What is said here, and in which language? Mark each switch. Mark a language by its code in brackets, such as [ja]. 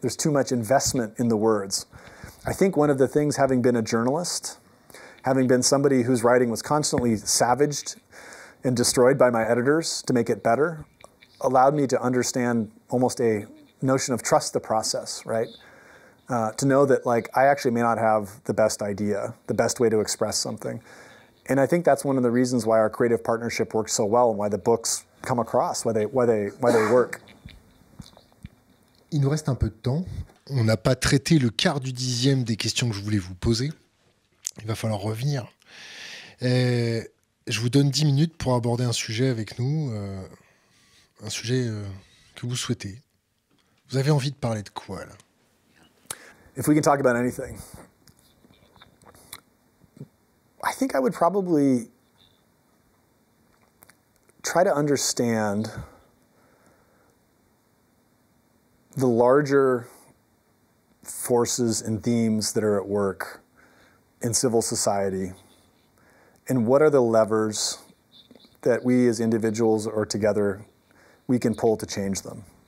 [en] There's too much investment in the words. I think one of the things, having been a journalist, having been somebody whose writing was constantly savaged and destroyed by my editors to make it better, allowed me to understand almost a notion of trust the process, right? To know that, like, I actually may not have the best idea, the best way to express something. And I think that's one of the reasons why our creative partnership works so well and why the books come across, why they work. [fr] Il nous reste un peu de temps. On n'a pas traité le quart du dixième des questions que je voulais vous poser. Il va falloir revenir. Je vous donne 10 minutes pour aborder un sujet avec nous, un sujet que vous souhaitez. Vous avez envie de parler de quoi, là ? [en] If we can talk about anything, I think I would probably try to understand the larger forces and themes that are at work in civil society, and what are the levers that we as individuals or together we can pull to change them.